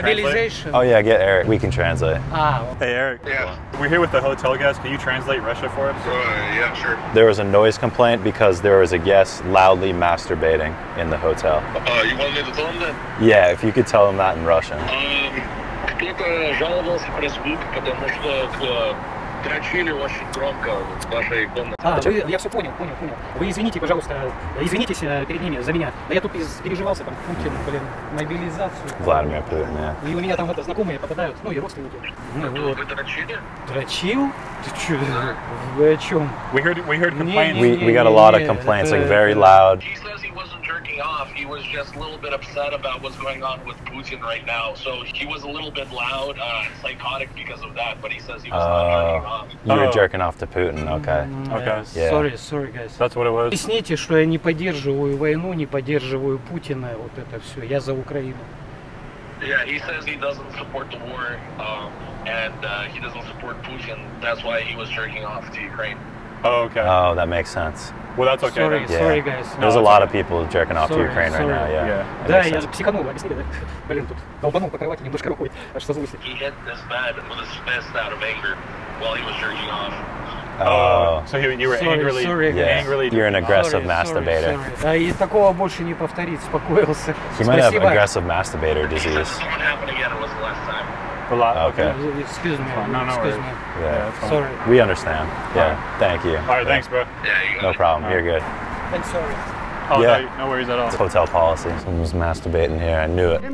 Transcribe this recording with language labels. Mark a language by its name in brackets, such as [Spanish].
[English] translate? Oh, yeah, get Eric. We can translate. Ah. Hey, Eric. Yeah. We're here with the hotel guest. Can you translate Russia for us? Yeah, sure. There was a noise complaint because there was a guest loudly masturbating in the hotel. You want me to tell him that? Yeah, if you could tell him that in Russian. [Russian] Кто-то жаловался про звук, потому что дрочили очень громко в вашей комнате. Я все понял. Вы извините, пожалуйста, извинитесь перед ними за меня. Да я тут переживался, там, Путин, блин, мобилизацию. Владимир Путин, да. И у меня там это знакомые попадают, ну и родственники. Ну, вы дрочили? Дрочил? Ты че, вы о чем? [English] We heard complaints. We got a lot of complaints, like very loud. He says he wasn't jerking off. He was just a little bit upset about what's going on with Putin right now. So he was a little bit loud, psychotic because of that. But he says he was not jerking off. You were jerking off to Putin. Okay. Okay. Yeah. Sorry, guys. That's what it was. [Russian] Объясните, что я не поддерживаю войну, не поддерживаю Путина, вот это все. Я за Украину. [English] Yeah, he says he doesn't support the war, he doesn't support Putin. That's why he was jerking off to Ukraine. Oh, okay. Oh, that makes sense. Well, that's okay. Sorry, yeah. Sorry, guys. No, there's a lot of people jerking off to Ukraine right now. Yeah. [Russian] Да, я психанул, блин, тут долбанул по кровати немножко рукой, аж со злости. [English] He hit this bad with his fist out of anger while he was jerking off. You're an aggressive masturbator. Sorry. [Russian] И такого больше не повторить, успокоился. [English] He might have aggressive masturbator disease. It won't happen again, it was the last time. Okay. Excuse me. No, excuse me. Yeah. Sorry. We understand. Yeah. Right. Thank you. All right, thanks, bro. Yeah, you got no it. Problem. No. You're good. And sorry. Oh, yeah. No worries at all. It's hotel policy. Someone's masturbating here. I knew it.